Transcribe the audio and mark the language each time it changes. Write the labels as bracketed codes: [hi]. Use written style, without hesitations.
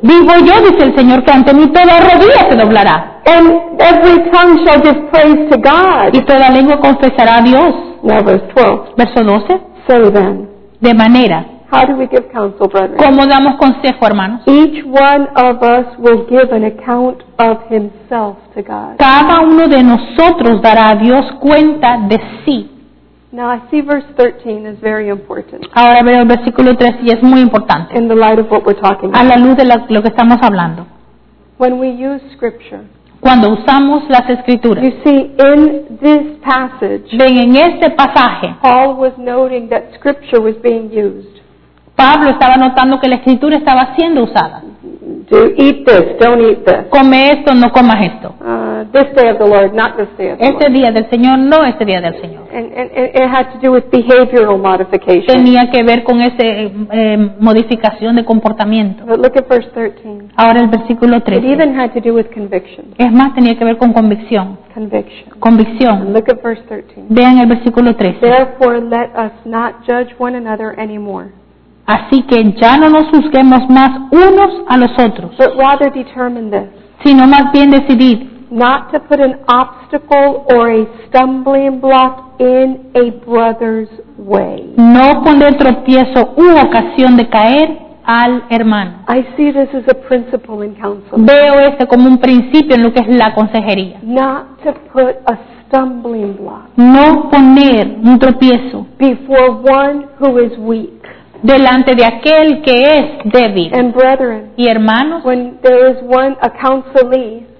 [es] Vivo yo, dice el Señor, que ante mí toda rodilla se doblará. [en] And every tongue shall give praise to God. [es] Y toda lengua confesará a Dios. [en] Now verse 12. So then. [es] De manera. [en] How do we give counsel, brothers? [es] ¿Cómo damos consejo, hermanos? [en] Each one of us will give an account of himself to God. [es] Cada uno de nosotros dará a Dios cuenta de sí. [en] Now I see verse 13 is very important. [es] Ahora veo el versículo 13 y es muy importante. [en] In the light of what we're talking about. [es] A la luz de lo que estamos hablando. [en] When we use scripture. [es] Cuando usamos las escrituras. [en] You see, in this passage, [es] ven, en este pasaje, [en] Paul was noting that scripture was being used. [es] Pablo estaba notando que la escritura estaba siendo usada. [en] Do eat this, don't eat this. [es] Come esto, no comas esto. [en] This day of the Lord, not this day of the [es] este [en] Lord. [es] Día del Señor, no este día del Señor. [en] And it had to do with behavioral modification. [es] Tenía que ver con ese modificación de comportamiento. [en] But look at verse 13. [es] Ahora el versículo 13. [en] It even had to do with conviction. [es] Es más, tenía que ver con convicción. [en] Conviction. [es] Convicción. [en] Look at verse 13. [es] Vean el versículo 13. [en] Therefore, let us not judge one another anymore. [es] Así que ya no nos juzguemos más unos a los otros. [en] But rather determine this. [es] Sino más bien decidir. [en] Not to put an obstacle or a stumbling block in a brother's way. [es] No poner tropiezo u ocasión de caer al hermano. [en] I see this as a principle in counseling. [es] Veo este como un principio en lo que es la consejería. [en] Not to put a stumbling block. [es] No poner un tropiezo. [en] Before one who is weak. [es] Delante de aquel que es débil. [en] And brethren. [es] Y hermanos. [en] When there is one, a counselee.